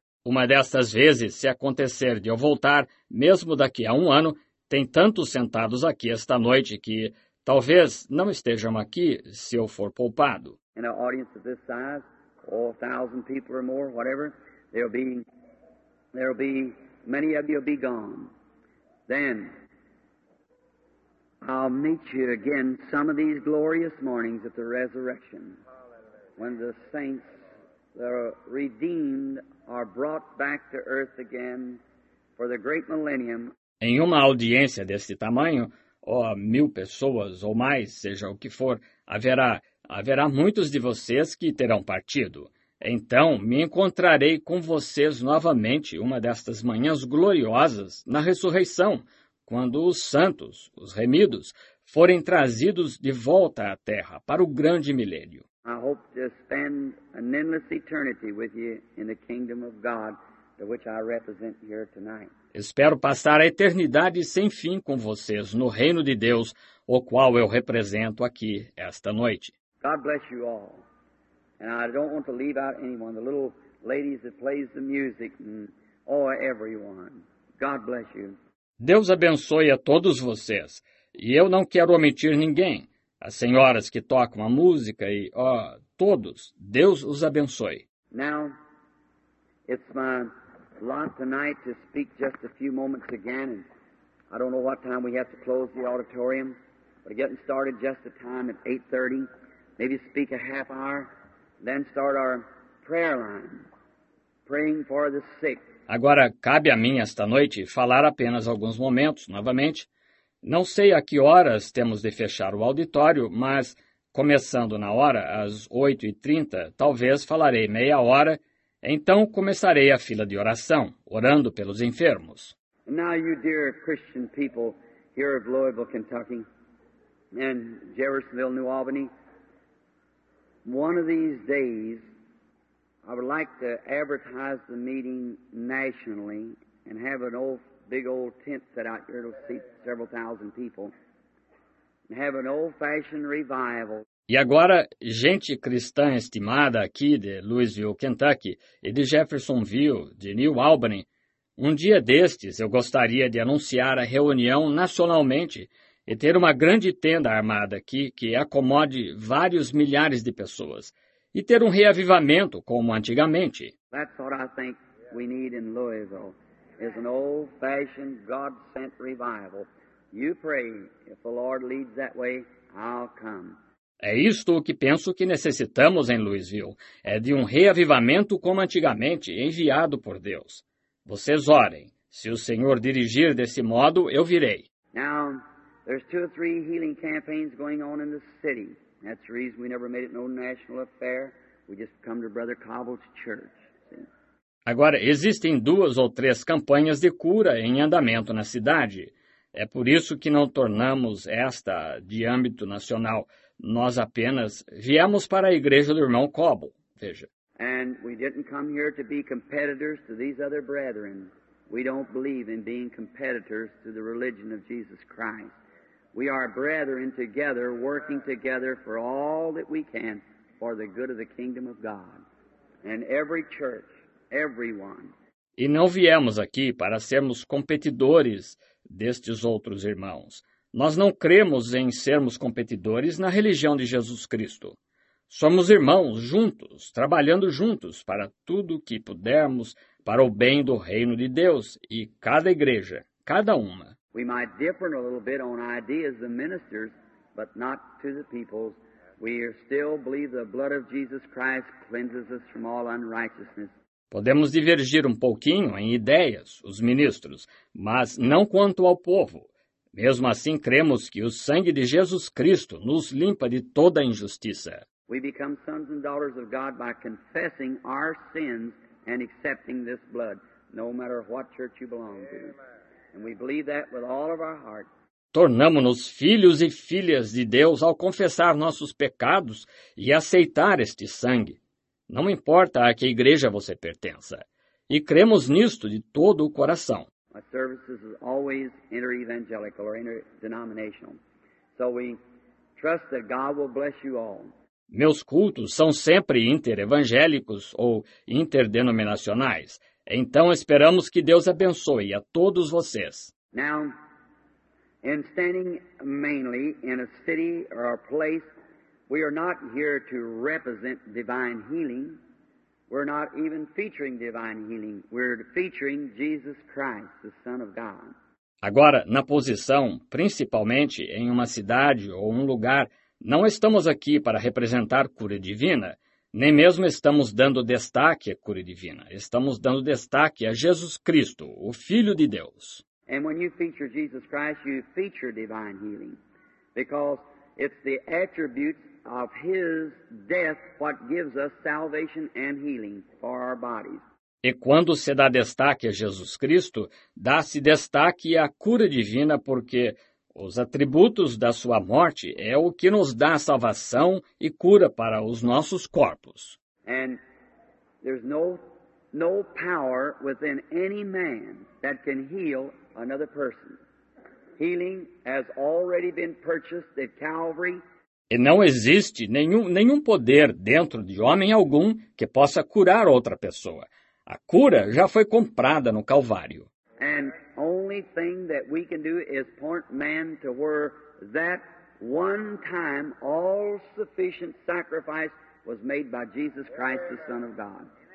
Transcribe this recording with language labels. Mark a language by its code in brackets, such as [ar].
[pt] Uma destas vezes, se acontecer de eu voltar, mesmo daqui a um ano, tem tantos sentados aqui esta noite que talvez não estejam aqui se eu for poupado. [en] In an audience of this size, or 1,000 people or more, whatever, there'll be many of you'll be gone. Then I'll meet you again some of these glorious mornings at the resurrection, when the saints that are redeemed are brought back to earth again for the great millennium. [pt] Em uma audiência deste tamanho, ou 1,000 pessoas ou mais, seja o que for, haverá muitos de vocês que terão partido. Então, me encontrarei com vocês novamente uma destas manhãs gloriosas na ressurreição, quando os santos, os remidos, forem trazidos de volta à terra para o grande milênio. [en] I hope to spend an endless eternity with you in the kingdom of God, to which I represent here tonight. [pt] Espero passar a eternidade sem fim com vocês no reino de Deus, o qual eu represento aqui esta noite. [en] God bless you all. And I don't want to leave out anyone, the little ladies that plays the music, and oh, everyone. God bless you. [pt] Deus abençoe a todos vocês, e eu não quero omitir ninguém. As senhoras que tocam a música e, ó, todos, Deus os abençoe. [en] Now, it's my lot tonight to speak just a few moments again. And I don't know what time we have to close the auditorium, but getting started just the time at 8:30, maybe speak a half hour, then start our prayer line, praying for the sick. [pt] Agora, cabe a mim esta noite falar apenas alguns momentos novamente. Não sei a que horas temos de fechar o auditório, mas, começando na hora, às 8:30, talvez falarei meia hora, então começarei a fila de oração, orando pelos enfermos. [en] Now, you dear Christian people here of Louisville, Kentucky, and Jeffersonville, New Albany, one of these days, I would like to advertise the meeting nationally and have an old big old tent set out here to seat several thousand people and have an old-fashioned revival. [pt] E agora, gente cristã estimada aqui de Louisville, Kentucky, e de Jeffersonville, de New Albany, um dia destes eu gostaria de anunciar a reunião nacionalmente e ter uma grande tenda armada aqui que acomode vários milhares de pessoas e ter um reavivamento como antigamente. [en] That's what I think we need in Louisville. Is an old-fashioned, God-sent revival. You pray, if the Lord leads that way, I'll come. [pt] É isto que penso que necessitamos em Louisville. É de um reavivamento como antigamente, enviado por Deus. Vocês orem. Se o Senhor dirigir desse modo, eu virei. [en] Now, there's two or three healing campaigns going on in the city. That's the reason we never made it no national affair. We just come to Brother Cobble's church. [pt] Agora, existem duas ou três campanhas de cura em andamento na cidade. É por isso que não tornamos esta de âmbito nacional. Nós apenas viemos para a igreja do irmão Cobble, veja. [en] And we didn't come here to be competitors to these other brethren. We don't believe in being competitors to the religion of Jesus Christ. We are brethren together, working together for all that we can for the good of the kingdom of God. And every church, everyone. [pt] E não viemos aqui para sermos competidores destes outros irmãos. Nós não cremos em sermos competidores na religião de Jesus Cristo. Somos irmãos juntos, trabalhando juntos para tudo o que pudermos para o bem do reino de Deus e cada igreja, cada uma. [en] We might differ a little bit on ideas of ministers, but not to the peoples. We still believe the blood of Jesus Christ cleanses us from all unrighteousness. [pt] Podemos divergir um pouquinho em ideias, os ministros, mas não quanto ao povo. Mesmo assim, cremos que o sangue de Jesus Cristo nos limpa de toda a injustiça. [en] We become sons and daughters of God by confessing our sins and accepting this blood, no matter what church you belong to. And we believe that with all of our heart. [pt] Tornamo-nos filhos e filhas de Deus ao confessar nossos pecados e aceitar este sangue. Não importa a que igreja você pertença. E cremos nisto de todo o coração. [en] Our services are always inter-evangelical or inter-denominational. So we trust that God will bless you all. [pt] Meus cultos são sempre inter-evangélicos ou interdenominacionais. Então esperamos que Deus abençoe a todos vocês. [en] Now, in standing mainly in a city or a place, we are not here to represent divine healing. We're not even featuring divine healing. We're featuring Jesus Christ, the Son of God. [pt] Agora, na posição, principalmente em uma cidade ou um lugar, não estamos aqui para representar cura divina, nem mesmo estamos dando destaque à cura divina. Estamos dando destaque a Jesus Cristo, o Filho de Deus. [en] And when you feature Jesus Christ, you feature divine healing, because it's the attributes of His death what gives us salvation and healing for our bodies. [pt] E quando se dá destaque a Jesus Cristo, dá-se destaque à cura divina, porque os atributos da sua morte é o que nos dá salvação e cura para os nossos corpos. [en] And there's no power within any man that can heal another person. Healing has already been purchased at Calvary. [pt] E não existe nenhum poder dentro de homem algum que possa curar outra pessoa. A cura já foi comprada no Calvário. [en] And only thing that we can do is point man to where that one time all sufficient sacrifice was made by Jesus Christ, the Son of God.